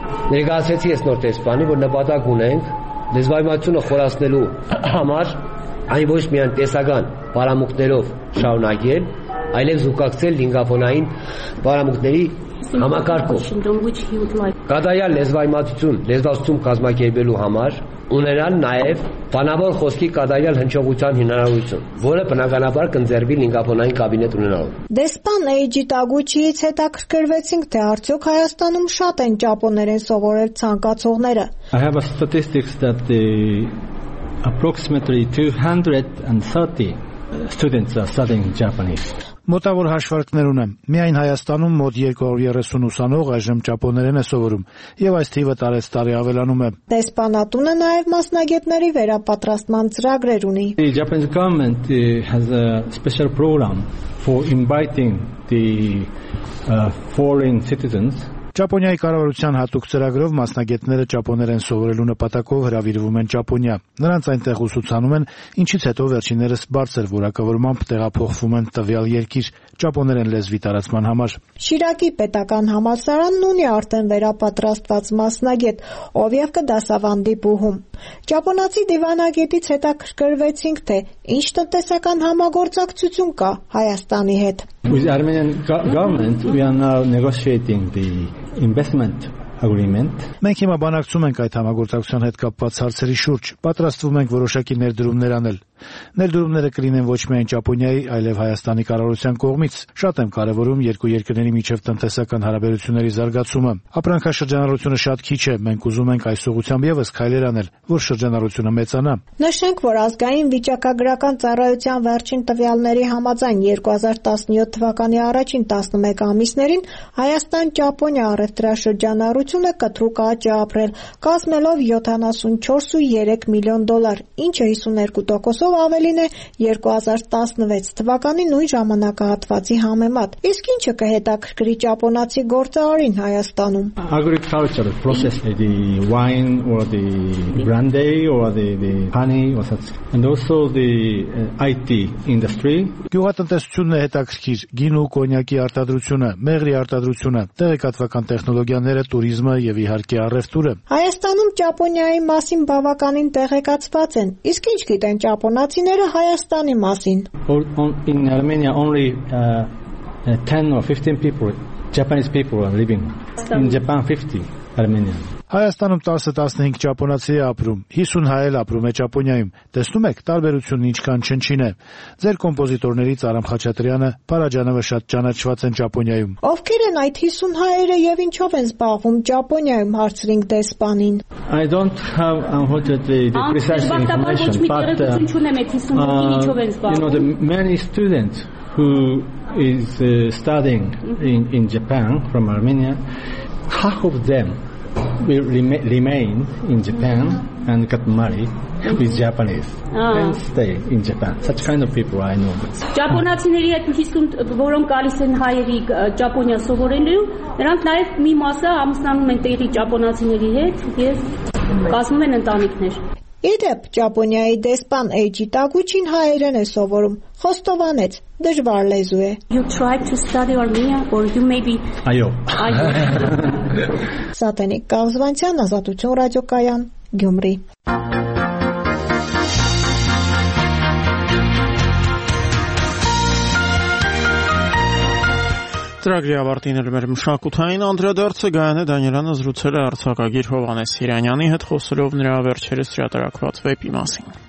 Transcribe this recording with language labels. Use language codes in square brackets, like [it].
[hy] ներկայացրեցի ես նոր դեսպանի, որ նպատակ ունենք լեզվամատությունը խորացնելու համար այն ոչ միայն տեսական պարամունքներով շարունակել, այլև զուգակցել լինգվոֆոնային պարամունքների համակարգով։ Կատարյալ լեզվամատություն, լեզվացում կազմակերպելու համար ունենալ նաև բանավոր խոսքի կատարյալ հնչողության հնարավորություն, որը բնականաբար կընձեռվի լինգվոֆոնային կաբինետ ունենալով։ Դեսպան Էյջի Տագուչիից հետաքրքրվեցինք, թե արդյոք Հայաստանում շատ են ճապոներեն սովորել ցանկացողները։ [en] I have a statistics that the approximately 230 students are studying Japanese. [hy] Մոտավոր հաշվարկներ ունեմ։ Միայն Հայաստանում մոտ 230 ուսանող այժմ ճապոներեն է սովորում, և այս թիվը տարեստարի ավելանում է։ Դեսպանատունը նաև մասնագետների վերապատրաստման ծրագրեր ունի։ [en] The Japanese government has a special program for inviting the foreign citizens. [hy] Ճապոնիայի կառավարության հատուկ ծրագրով մասնագետները ճապոներեն սովորելու նպատակով հրավիրվում են Ճապոնիա։ Նրանց այնտեղ ուսուցանում են, ինչից հետո վերջիններս բարձր որակավորմամբ տեղափոխվում են տվյալ երկիր ճապոներեն լեզվի տարածման համար։ Շիրակի պետական համալսարանն ունի արդեն վերապատրաստված մասնագետ, ով և կդասավանդի բուհում։ Ճապոնացի դիվանագետից հետաքրքրվեցինք, թե ինչ տնտեսական համագործակցություն կա Հայաստանի հետ։ [en] With the Armenian government, we are now negotiating the investment agreement. [hy] Մենք հիմա բանակցում ենք այդ համագործակցության հետ կապված հարցերի շուրջ, պատրաստվում ենք որոշակի ներդրումներ անել։ Ներդրումները կլինեն ոչ միայն Ճապոնիայի, այլև Հայաստանի կառավարության կողմից։ Շատ եմ կարևորում երկու երկրների միջև տնտեսական հարաբերությունների զարգացումը։ Ապրանքաշրջանառությունը շատ քիչ է, մենք ուզում ենք այս ուղությամբ եւս քայլեր անել, որ շրջանառությունը մեծանա։ Նշենք, որ ազգային վիճակագրական ծառայության վերջին տվյալների համաձայն 2017 թվականի առաջին 11 ամիսներին Հայաստան-Ճապոնիա առևտրաշրջանառությունը կտրուկ աճ է ապրել, կազմելով $74.3 միլիոն, ինչը 52% Ոսով ավելին է 2016 թվականի նույն ժամանակահատվածի համեմատ։ Իսկ ինչը կհետաքրքրի ճապոնացի գործարարին Հայաստանում։ [en] Agricultural processed the wine or the brandy or the honey or such, and also the IT industry. [hy] Գյուղատնտեսությունն է հետաքրքիր, գինու կոնյակի արտադրությունը, մեղրի արտադրությունը, տեղեկատվական տեխնոլոգիաները, туриզմը եւ իհարկե առևտուրը։ Հայաստանում Ճապոնիայի մասին բավականին տեղեկացված են, իսկ ինչ գիտեն ճապոնացի բանացիները Հայաստանի մասին. [en] In Armenia only 10 or 15 people, Japanese people are living. In Japan 50 Armenians. [hy] Հայաստանում 10-15 ճապոնացի է ապրում, 50 հայ էլ ապրում է Ճապոնիայում։ Տեսնում եք, տարբերությունն ինչքան չնչին է։ Ձեր կոմպոզիտորներից Արամ Խաչատրյանը, Փարաջանովը շատ ճանաչված են Ճապոնիայում։ Ովքեր են այդ 50 հայերը եւ ինչով են զբաղվում Ճապոնիայում, հարցրինք դեսպանին։ [en] I don't have unfortunately the precise information, but [hy] ինչու՞ չունեմ այդ 50 հայերը, ինչով են զբաղվում։ [en] You know, the many students who is studying in Japan from Armenia, half of them will remain in Japan and get married with Japanese and stay in Japan. Such kind of people I know. [hy] Ճապոնացիների հետ հիսկում, որոնք գալիս են հայերի Ճապոնիա սովորելու, նրանք նաև մի մասը ամուսնանում են տեղի ճապոնացիների հետ եւ կազմում են ընտանիքներ։ Իդեպ Ճապոնիայի դեսպան Էջի Տագուչին հայերեն է սովորում, խոստովանեց, դժվար լեզու է։ [en] You try to study Armenia or you maybe [hy] Այո։ Սատենիկ Կազվանցյան, Ազատություն ռադիոկայան, Գյումրի։ Ծրագրի ավարտին էր մեր մշակութային անդրադարձը Գայանե Դանիելյանը զրուցել է արձակագիր Հովհանես Սիրանյանի հետ, խոսելով նրա վերջերս հրատարակված վեպի մասին։